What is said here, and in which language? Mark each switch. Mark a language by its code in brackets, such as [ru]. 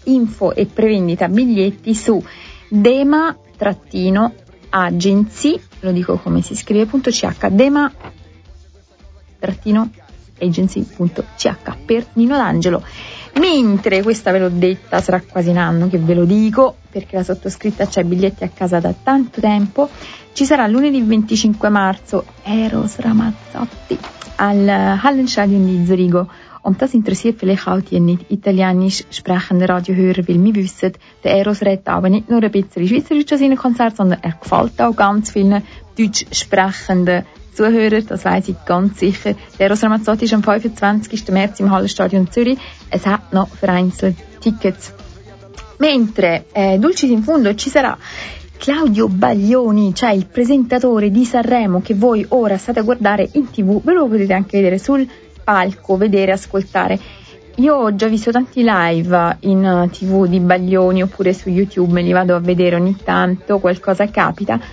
[it] Info e prevendita biglietti su dema-agency, lo dico come si scrive, .ch, dema-agency.ch per Nino D'Angelo. Mentre, questa ve l'ho detta, sarà quasi un anno che ve lo dico, perché la sottoscritta c'ha i biglietti a casa da tanto tempo, ci sarà lunedì 25 marzo Eros Ramazzotti al Hallenstadion di Zurigo. [de] Um das interessiert vielleicht auch die nicht italienisch sprechenden Radiohörer, weil wir wissen, der Eros redet aber nicht nur ein bisschen Schweizerdeutsch an seinem Konzert, sondern er gefällt auch ganz vielen deutsch sprechenden Zuhörer, das weiß ich ganz sicher. Der Eros Ramazzotti ist am 25. März im Hallenstadion Zürich. Es hat noch vereinzelt Tickets. [it] Mentre Dulcis in Fundo ci sarà Claudio Baglioni, cioè il presentatore di Sanremo che voi ora state a guardare in TV, ve lo potete anche vedere sul palco, vedere, ascoltare. Io ho già visto tanti live in TV di Baglioni, oppure su YouTube, li vado a vedere ogni tanto, qualcosa capita.